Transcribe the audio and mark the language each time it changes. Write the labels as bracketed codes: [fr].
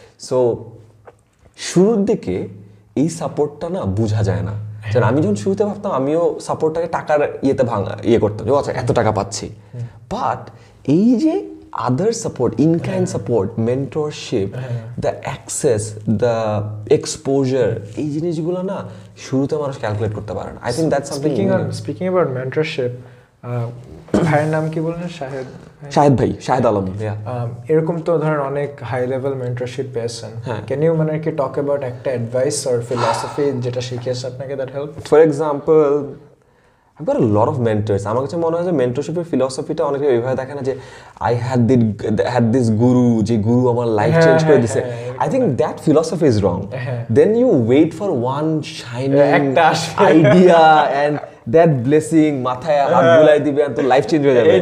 [bn] So শুরুর দিকে এই সাপোর্টটা না বোঝা যায় না, আমি যখন শুরুতে ভাবতাম আমিও সাপোর্টটাকে টাকার ইয়েতে ভাঙা ইয়ে করতাম, আচ্ছা এত টাকা পাচ্ছি, বাট এই যে আদার support, ইনকাইন্ড support, mentorship, the access, the exposure, এই জিনিসগুলো না শুরুতে মানুষ ক্যালকুলেট করতে পারে না। [en] I think that's speaking on speaking about mentorship, [bn] ভাইয়ের নাম কি বললেন, শাহেদ, শাহেদ ভাই, শাহেদ আলম, এরকম তো ধরেন অনেক হাই লেভেল মেন্টরশিপ পেয়েছেন, [en] can you [bn] মানে কি টক অ্যাবাউট একটা অ্যাডভাইস অর ফিলোসফি যেটা শিখিয়েছে আপনাকে that help? [en] For example I've got a lot of mentors. [bn] আমার কাছে মনে হয় যে মেন্টরশিপের ফিলসফিটা অনেকে এইভাবে দেখে না যে [en] I had this guru, [bn] যে গুরু আমার লাইফ চেঞ্জ করে দিছে। [en] I think that philosophy is wrong, then you wait for one shining idea and that blessing [bn] মাথায় হাত বুলাই দিবে [en] and [bn] তো লাইফ চেঞ্জ হয়ে যাবে,